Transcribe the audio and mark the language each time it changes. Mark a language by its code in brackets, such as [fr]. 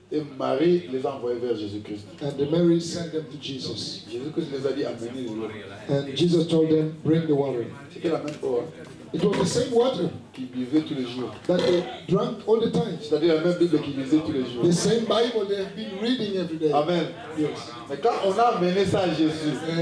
[fr] Et Marie les a envoyés vers Jésus-Christ. [en] And Mary sent them to Jesus. [fr] Jésus-Christ les a dit amenez l'eau. [en] And Jesus told them bring the water. [fr] C'était la même eau. [en] It was the same water [fr] qu'il buvait tous les jours. [en] That they drank all the time. [fr] C'est-à-dire la même Bible qu'il lisait tous les jours. [en] The same Bible they have been reading every day. [fr] Amen. [en] Yes. [fr] Mais quand on a amené ça à Jésus,